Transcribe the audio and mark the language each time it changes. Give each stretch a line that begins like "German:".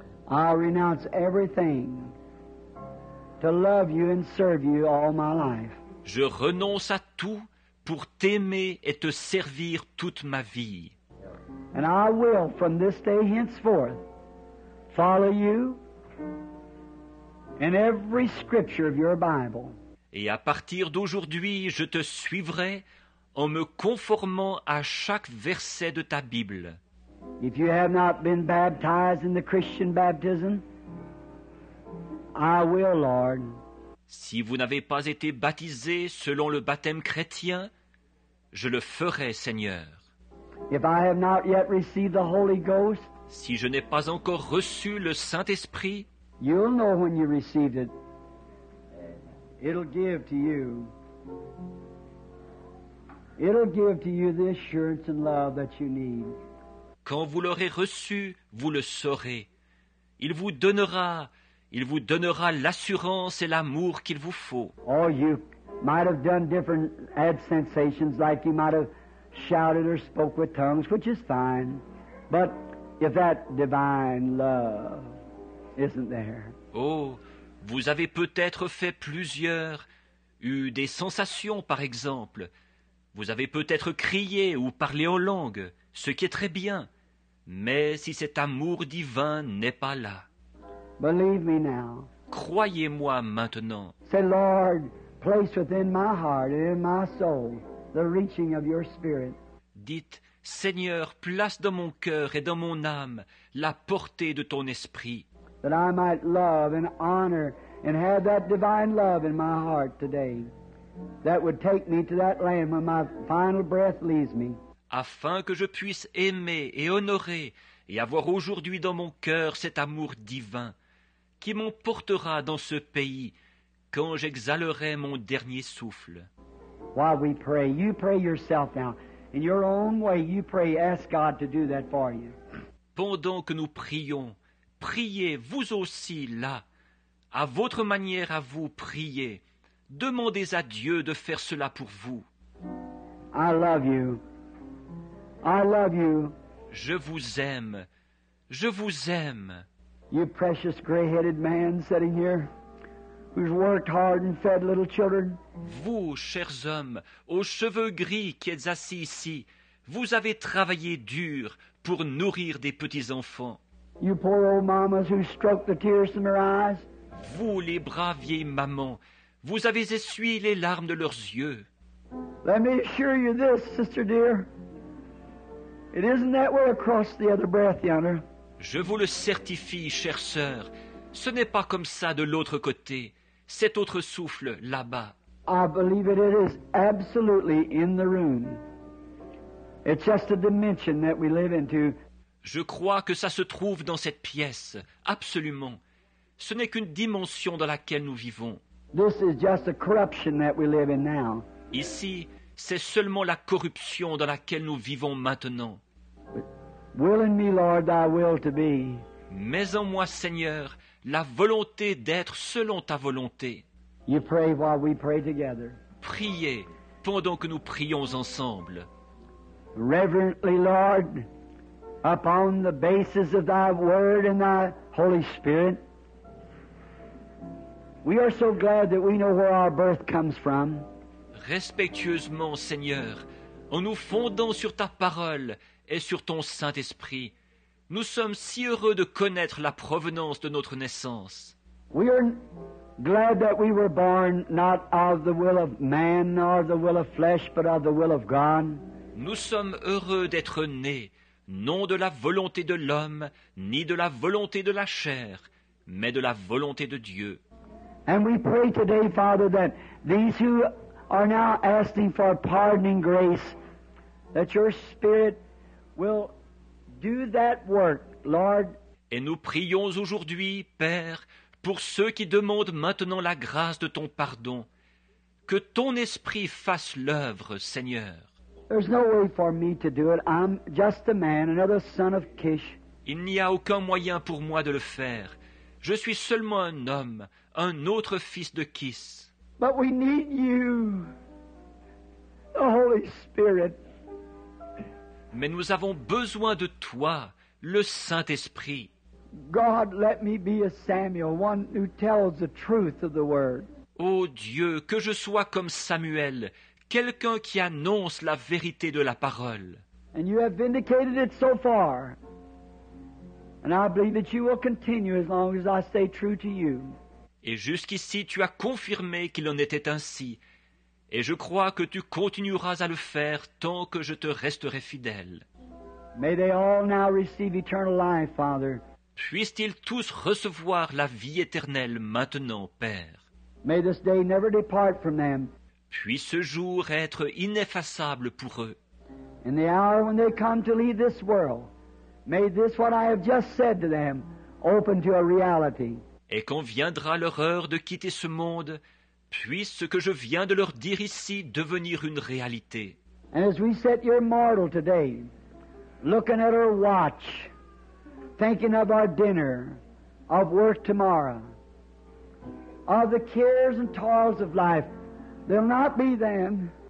English: I renounce everything to love you and serve you all my life.
French: Je renonce à tout pour t'aimer et te servir toute ma vie.
English: And I will, from this day henceforth, follow you in every scripture of your Bible.
French: Et à partir d'aujourd'hui, je te suivrai en me conformant à chaque verset de ta Bible.
English: If you have not been baptized in the Christian baptism, I will, Lord.
French: Si vous n'avez pas été baptisé selon le baptême chrétien, je le ferai, Seigneur.
English: If I have not yet received the Holy Ghost,
French: si je n'ai pas encore reçu le Saint-Esprit,
English: you'll know when you received it. It'll give to you. It'll give to you the assurance and love that you need.
French: Quand vous l'aurez reçu, vous le saurez. Il vous donnera l'assurance et l'amour qu'il vous faut.
English: Oh, you might have done different ad sensations, like you might have shouted or spoke with tongues, which is fine. But if that divine love isn't there.
French: Oh, vous avez peut-être fait plusieurs, eu des sensations, par exemple. Vous avez peut-être crié ou parlé en langue, ce qui est très bien. Mais si cet amour divin n'est pas là,
English: believe me now.
French: Croyez-moi maintenant.
English: Say, Lord, place within my heart and in my soul the reaching of your Spirit.
French: Dites, Seigneur, place dans mon cœur et dans mon âme la portée de ton Esprit.
English: That I might love and honor and have that divine love in my heart today. That would take me to that land when my final breath leaves me.
French: Afin que je puisse aimer et honorer et avoir aujourd'hui dans mon cœur cet amour divin qui m'emportera dans ce pays quand j'exhalerai mon dernier souffle.
English: While we pray, you pray yourself now. In your own way, you pray, ask God to do that for you.
French: Pendant que nous prions, priez vous aussi là, à votre manière à vous, priez. Demandez à Dieu de faire cela pour vous.
English: I love you. I love you.
French: Je vous aime. Je vous aime.
English: You precious gray-headed man sitting here, who's worked hard and fed little children.
French: Vous, chers hommes, aux cheveux gris qui êtes assis ici, vous avez travaillé dur pour nourrir des petits-enfants.
English: You poor old mamas who stroke the tears from their eyes.
French: Vous, les braves vieilles mamans, vous avez essuyé les larmes de leurs yeux.
English: Let me assure you this, sister dear. It isn't that way across the other breath yonder.
French: Je vous le certifie, chère sœur, ce n'est pas comme ça de l'autre côté, cet autre souffle là-bas.
English: I believe it is absolutely in the room. It's just a dimension that we live into.
French: Je crois que ça se trouve dans cette pièce, absolument. Ce n'est qu'une dimension dans laquelle nous vivons.
English: This is just a corruption that we live in now.
French: Ici, c'est seulement la corruption dans laquelle nous vivons maintenant.
English: Will in me, Lord, thy will to be.
French: Mets en moi, Seigneur, la volonté d'être selon ta volonté.
English: You pray while we pray together.
French: Priez pendant que nous prions ensemble.
English: Reverently, Lord, upon the basis of thy word and thy Holy Spirit, we are so glad that we know where our birth comes from.
French: Respectueusement, Seigneur, en nous fondant sur ta parole et sur ton Saint-Esprit, nous sommes si heureux de connaître la provenance de notre naissance.
English: We are glad that we were born not of the will of man nor the will of flesh, but of the will of God.
French: Nous sommes heureux d'être nés, non de la volonté de l'homme, ni de la volonté de la chair, mais de la volonté de Dieu.
English: And we pray today, Father, that these who are now asking for pardoning grace, that your Spirit will do that work, Lord.
French: Et nous prions aujourd'hui, Père, pour ceux qui demandent maintenant la grâce de ton pardon, que ton Esprit fasse l'œuvre, Seigneur.
English: There's no way for me to do it. I'm just a man, another son of Kish.
French: Il n'y a aucun moyen pour moi de le faire. Je suis seulement un homme, un autre fils de Kiss.
English: But we need you, the Holy Spirit.
French: Mais nous avons besoin de toi, le Saint-Esprit.
English: God, let me be a Samuel, one who tells the truth of the word.
French: Oh Dieu, que je sois comme Samuel, quelqu'un qui annonce la vérité de la parole.
English: And you have vindicated it so far. And I believe that you will continue as long as I stay true to you.
French: Et jusqu'ici, tu as confirmé qu'il en était ainsi. Et je crois que tu continueras à le faire tant que je te resterai fidèle.
English: May they all now receive eternal life, Father.
French: Puissent-ils tous recevoir la vie éternelle maintenant, Père.
English: May this day never depart from them.
French: Puisse ce jour être ineffaçable pour eux.
English: in the hour when they come to leave this world, may this what I have just said to them open to a reality.
French: Et quand viendra leur heure de quitter ce monde, puisse ce que je viens de leur dire ici devenir une réalité.
English: And as we sit here mortal today, looking at our watch, thinking of our dinner, of work tomorrow, of the cares and toils of life, they'll not be then.